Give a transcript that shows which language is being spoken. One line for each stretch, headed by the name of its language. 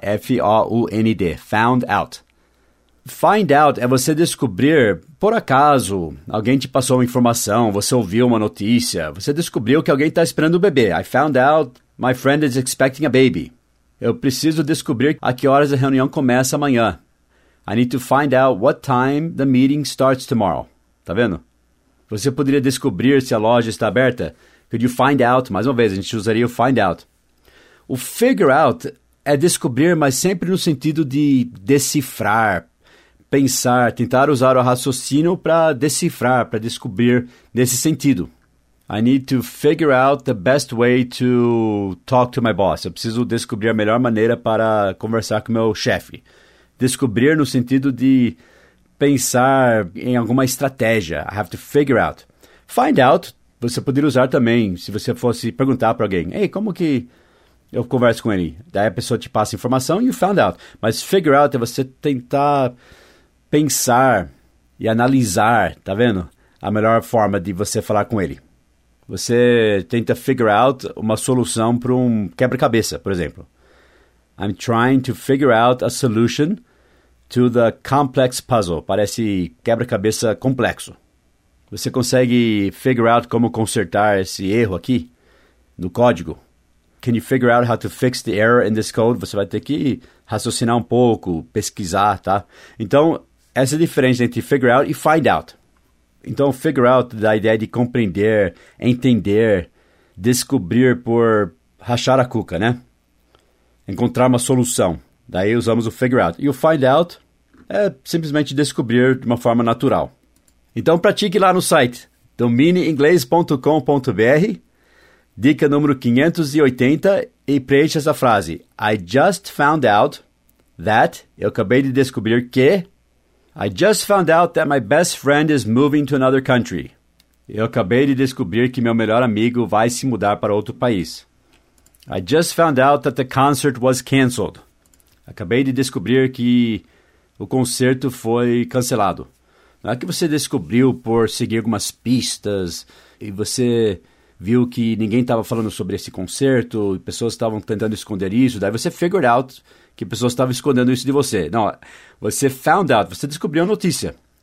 Portuguese: F-O-U-N-D, found out. Find out é você descobrir, por acaso, alguém te passou uma informação, você ouviu uma notícia, você descobriu que alguém está esperando um bebê.
English: I found out my friend is expecting a baby.
Portuguese: Eu preciso descobrir a que horas a reunião começa amanhã.
English: I need to find out what time the meeting starts tomorrow.
Portuguese: Tá vendo? Você poderia descobrir se a loja está aberta?
English: Could you find out?
Portuguese: Mais uma vez, a gente usaria o find out. O figure out é descobrir, mas sempre no sentido de decifrar, pensar, tentar usar o raciocínio para decifrar, para descobrir nesse sentido.
English: I need to figure out the best way to talk to my boss.
Portuguese: Eu preciso descobrir a melhor maneira para conversar com meu chefe. Descobrir no sentido de pensar em alguma estratégia.
English: I have to figure out.
Portuguese: Find out, você poderia usar também, se você fosse perguntar para alguém, hey, como que eu converso com ele? Daí a pessoa te passa a informação, you found out. Mas figure out é você tentar pensar e analisar, tá vendo? A melhor forma de você falar com ele. Você tenta figure out uma solução para um quebra-cabeça, por exemplo.
English: I'm trying to figure out a solution to the complex puzzle.
Portuguese: Parece quebra-cabeça complexo. Você consegue figure out como consertar esse erro aqui no código?
English: Can you figure out how to fix the error in this code?
Portuguese: Você vai ter que raciocinar um pouco, pesquisar, tá? Então, essa é a diferença entre figure out e find out. Então, figure out dá a ideia de compreender, entender, descobrir por rachar a cuca, né? Encontrar uma solução. Daí usamos o figure out. E o find out é simplesmente descobrir de uma forma natural. Então, pratique lá no site dominioinglês.com.br. Dica número 580 e preencha essa frase.
English: I just found out that,
Portuguese: eu acabei de descobrir que,
English: I just found out that my best friend is moving to another country.
Portuguese: Eu acabei de descobrir que meu melhor amigo vai se mudar para outro país.
English: I just found out that the concert was canceled.
Portuguese: Acabei de descobrir que o concerto foi cancelado. Não é que você descobriu por seguir algumas pistas e você viu que ninguém estava falando sobre esse concerto e pessoas estavam tentando esconder isso. Daí você figured out que pessoas estavam escondendo isso de você. Não, você found out, você descobriu a notícia.